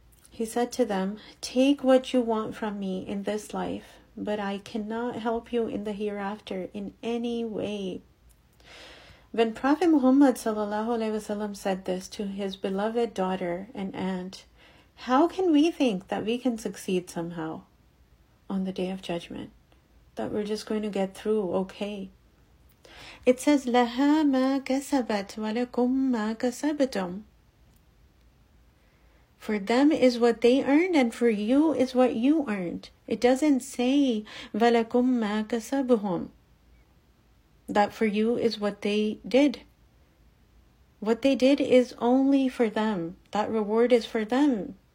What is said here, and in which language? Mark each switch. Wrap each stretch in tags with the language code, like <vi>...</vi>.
<en>He said to them, take what you want from me in this life, but I cannot help you in the hereafter in any way. When Prophet Muhammad sallallahu alaihi wasallam said this to his beloved daughter and aunt, how can we think that we can succeed somehow on the Day of Judgment? That we're just going to get through okay? It says,</en> <ar>لَهَا مَا كَسَبَتْ وَلَكُمْ مَا كَسَبْتُمْ.</ar> <en>For them is what they earned, and for you is what you earned. It doesn't say</en> <ar>وَلَكُمْ مَا كَسَبْهُمْ,</ar> <en>that for you is what they did. What they did is only for them. That reward is for them.</en>